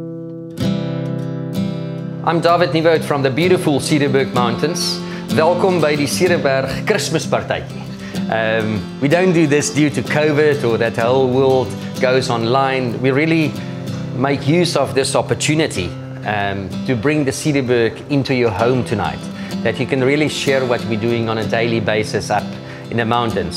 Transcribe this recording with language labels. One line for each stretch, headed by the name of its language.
English: I'm David Nieuwoud from the beautiful Cederberg Mountains.
Afrikaans: Welkom bij die Cederberg Christmas Party.
English: We don't do this due to COVID or that the whole world goes online. We really make use of this opportunity to bring the Cederberg into your home tonight, that you can really share what we're doing on a daily basis up in the mountains.